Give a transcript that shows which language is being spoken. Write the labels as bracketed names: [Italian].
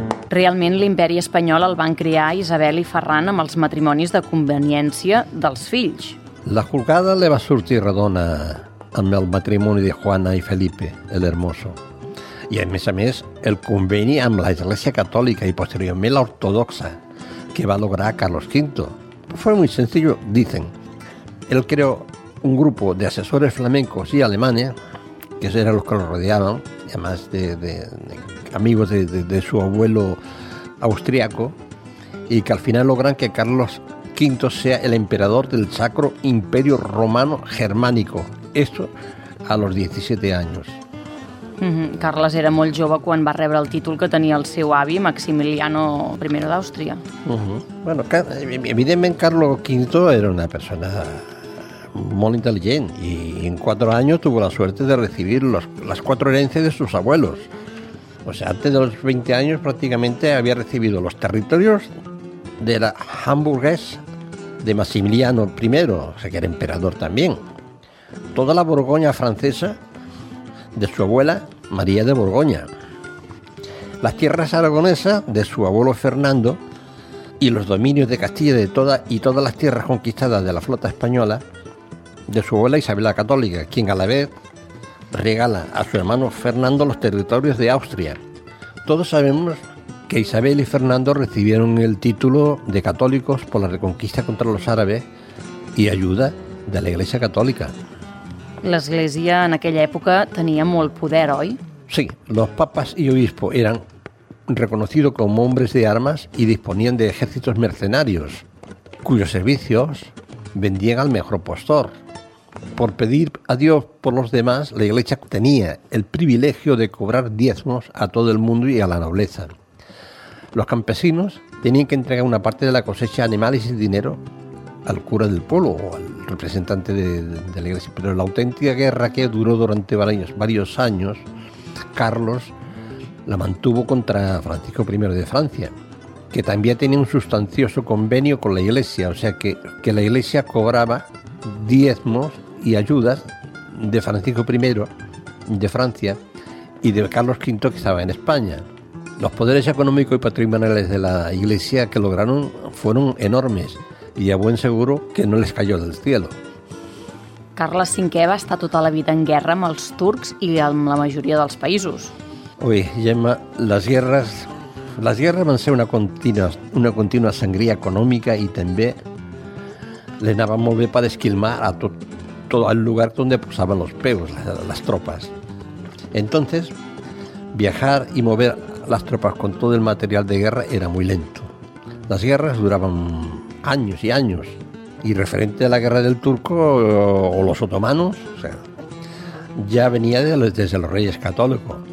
[Catalan] Realment l'imperi espanyol el van crear Isabel i Ferran amb els matrimonis de conveniència dels fills. La jugada le va sortir redona amb el matrimoni de Juana i Felipe, el hermoso. I a més, el conveni amb la Iglesia Catòlica i posteriorment l'ortodoxa, que va lograr Carlos V. [Spanish] Fue muy sencillo, dicen. Él creó un grupo de asesores flamencos y alemanes, que eran los que lo rodeaban, además de amigos de su abuelo austriaco, y que al final logran que Carlos V sea el emperador del Sacro Imperio Romano Germánico. Esto a los 17 años. [Catalan] Carles era molt jove quan va rebre el títol que tenia el seu avi, Maximiliano I d'Àustria. Bueno, evidentment Carlos V era una persona molt intel·ligent i en 4 anys tuvo la suerte de recibir las 4 herencias de sus abuelos. [Spanish] O sea, antes de los 20 años prácticamente había recibido los territorios de la Hamburgués de Maximiliano I, o sea, que era emperador también. Toda la Borgoña francesa de su abuela María de Borgoña. Las tierras aragonesas de su abuelo Fernando y los dominios de Castilla y todas las tierras conquistadas de la flota española de su abuela Isabel la Católica, quien a la vez regala a su hermano Fernando los territorios de Austria. Todos sabemos que Isabel y Fernando recibieron el título de católicos por la reconquista contra los árabes y ayuda de la Iglesia Católica. [Catalan] L'Església en aquella època tenia molt poder, oi? [Spanish] Sí, los papas y obispos eran reconocidos como hombres de armas y disponían de ejércitos mercenarios, cuyos servicios vendían al mejor postor. Por pedir a Dios por los demás, la Iglesia tenía el privilegio de cobrar diezmos a todo el mundo y a la nobleza. Los campesinos tenían que entregar una parte de la cosecha, animales y dinero al cura del pueblo o al representante de la Iglesia. Pero la auténtica guerra que duró durante varios años, Carlos la mantuvo contra Francisco I de Francia, que también tenía un sustancioso convenio con la Iglesia, o sea que la Iglesia cobraba diezmos y ayudas de Francisco I de Francia y de Carlos V, que estaba en España. Los poderes económicos y patrimoniales de la Iglesia que lograron fueron enormes y a buen seguro que no les cayó del cielo. [Catalan] Carles V va estar tota la vida en guerra amb els turcs i amb la majoria dels països. Ui, Gemma, les guerres van ser una contínua sangria econòmica i també li anava molt bé per esquilmar a tot el lloc on posaven els peus, les tropes. [Spanish] Entonces, viajar i mover les tropes con tot el material de guerra era muy lento. Les guerres duraven años y años, y referente a la guerra del turco o los otomanos, o sea, ya venía desde los reyes católicos.